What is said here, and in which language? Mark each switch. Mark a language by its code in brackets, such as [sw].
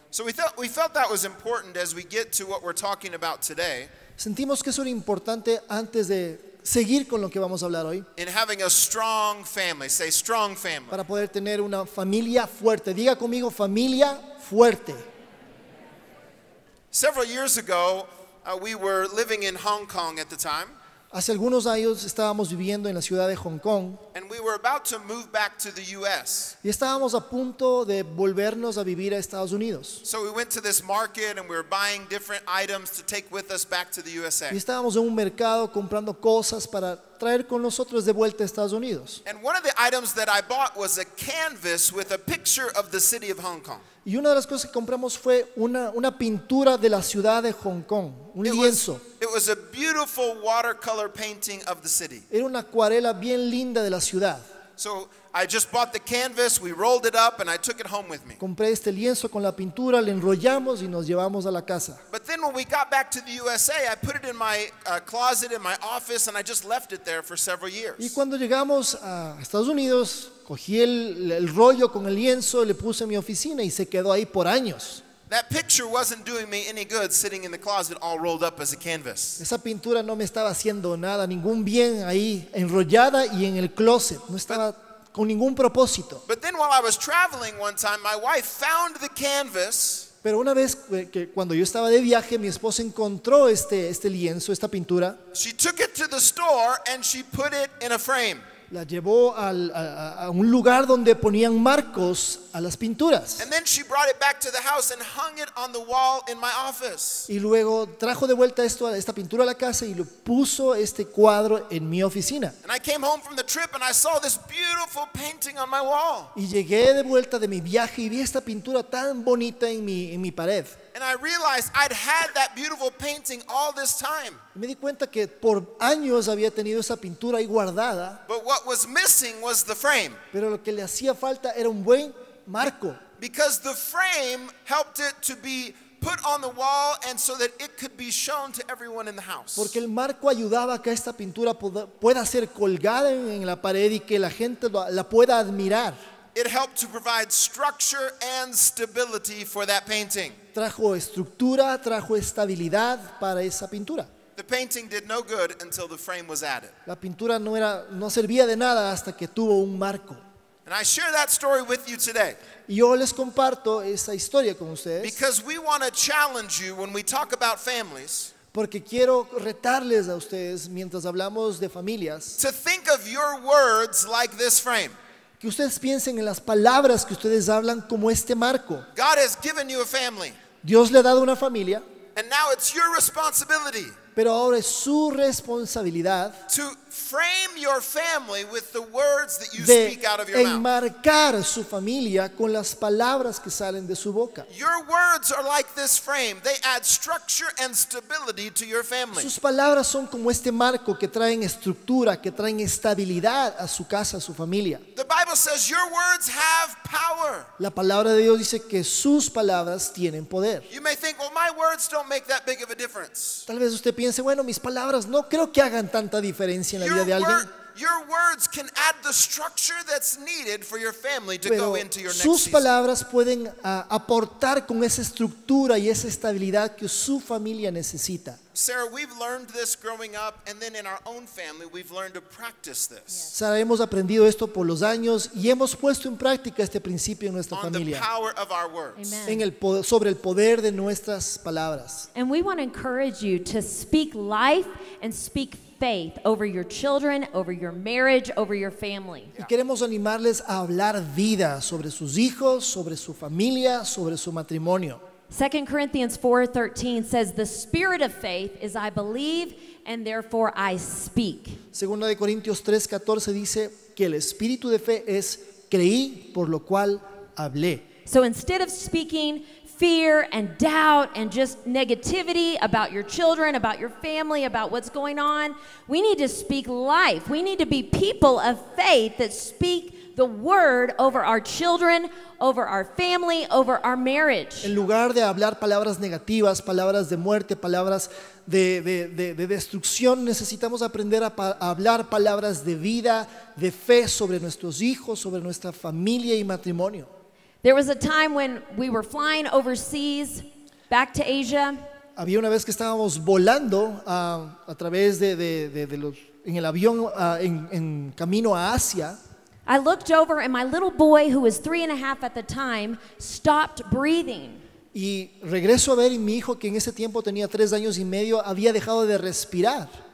[en] So we felt that was important as we get to what we're talking about today. [es] Sentimos que eso era importante antes de seguir con lo que vamos a hablar hoy. [en] In having a strong family, say strong family. [es] Para poder tener una familia fuerte. Diga conmigo, familia fuerte. [en] Several years ago, we were living in Hong Kong at the time. [es] Hace algunos años estábamos viviendo en la ciudad de Hong Kong. [en] And we were about to move back to the U.S. [es] Y estábamos a punto de volvernos a vivir a Estados Unidos. [en] So we went to this market and we were buying different items to take with us back to the USA. [es] Y estábamos en un mercado comprando cosas para traer con nosotros de vuelta a Estados Unidos. [en] And one of the items that I bought was a canvas with a picture of the city of Hong Kong. [es] Y una de las cosas que compramos fue una pintura de la ciudad de Hong Kong, un lienzo. [en] It was a beautiful watercolor painting of the city. [es] Era una acuarela bien linda de la ciudad. [en] So I just bought the canvas, we rolled it up, and I took it home with me. [es] Compré este lienzo con la pintura, le enrollamos y nos llevamos a la casa. [en] But then when we got back to the USA, I put it in my closet in my office, and I just left it there for several years. [es] Y cuando llegamos a Estados Unidos, cogí el rollo con el lienzo, le puse en mi oficina y se quedó ahí por años. [en] That picture wasn't doing me any good sitting in the closet all rolled up as a canvas. [es] Esa pintura no me estaba haciendo nada, ningún bien ahí enrollada y en el closet. No estaba con ningún propósito. [en] But then while I was traveling one time, my wife found the canvas. [es] Pero una vez que cuando yo estaba de viaje, mi esposa encontró este lienzo, esta pintura. [en] She took it to the store and she put it in a frame. [es] La llevó a un lugar donde ponían marcos a las pinturas. [en] And then she brought it back to the house and hung it on the wall in my office. [es] Y luego trajo de vuelta esta pintura a la casa y lo puso este cuadro en mi oficina. [en] And I came home from the trip and I saw this beautiful painting on my wall. [es] Y llegué de vuelta de mi viaje y vi esta pintura tan bonita en mi pared. [en] And I realized I'd had that beautiful painting all this time. [es] Me di cuenta que por años había tenido esa pintura ahí guardada. [en] But what was missing was the frame. [es] Pero lo que le hacía falta era un buen marco. [en] Because the frame helped it to be put on the wall and so that it could be shown to everyone in the house. [es] Porque el marco ayudaba a que esta pintura pueda ser colgada en la pared y que la gente la pueda admirar. [en] It helped to provide structure and stability for that painting. [es] Trajo estructura, trajo estabilidad para esa pintura. [en] The painting did no good until the frame was added. [es] La pintura no servía de nada hasta que tuvo un marco. [en] And I share that story with you today. [es] Yo les comparto esa historia con ustedes. [en] Because we want to challenge you when we talk about families. [es] Porque quiero retarles a ustedes mientras hablamos de familias. [en] To think of your words like this frame. [es] Que ustedes piensen en las palabras que ustedes hablan como este marco. [en] God has given you a family. [es] Dios le ha dado una familia. [en] And now it's your responsibility. [es] Pero ahora es su responsabilidad. [en] To frame your family with the words that you speak out of your mouth. [es] Enmarcar su familia con las palabras que salen de su boca. [en] Your words are like this frame. They add structure and stability to your family. [es] Sus palabras son como este marco que traen estructura, que traen estabilidad a su casa, a su familia. [en] The Bible says your words have power. [es] La palabra de Dios dice que sus palabras tienen poder. [en] You may think, well, my words don't make that big of a difference. [es] Tal vez usted piense, bueno, mis palabras no creo que hagan tanta diferencia en la vida de alguien. [en] Your words can add the structure that's needed for your family to [es] Pero [en] go into your next season. [es] Sus palabras [en] season. [es] Pueden aportar con esa estructura y esa estabilidad que su familia necesita. [en] Sarah, we've learned this growing up, and then in our own family, we've learned to practice this. Yes. [es] Sarah, hemos aprendido esto por los años y hemos puesto en práctica este principio en nuestra [en] On [es] familia. [en] The power of our words. Amen. [es] Sobre el poder de nuestras palabras. [en] And we want to encourage you to speak life and speak faith over your children, over your marriage, over your family. [es] Y queremos animarles a hablar vida sobre sus hijos, sobre su familia, sobre su matrimonio. [en] 2 Corinthians 4:13 says, "The spirit of faith is I believe and therefore I speak." [es] Segunda de Corintios 3:14 dice que el espíritu de fe es creí, por lo cual hablé. [en] So instead of speaking fear and doubt and just negativity about your children, about your family, about what's going on, we need to speak life. We need to be people of faith that speak the word over our children, over our family, over our marriage. [es] En lugar de hablar palabras negativas, palabras de muerte, palabras de destrucción, necesitamos aprender a hablar palabras de vida, de fe sobre nuestros hijos, sobre nuestra familia y matrimonio. [en] There was a time when we were flying overseas back to Asia. [es] Había una vez que estábamos volando a través de los en el avión en camino a Asia. [en] I looked over and my little boy, who was 3.5 at the time, stopped breathing. [es] Y regreso a ver y mi hijo, que en ese tiempo tenía 3 años y medio, había dejado de respirar.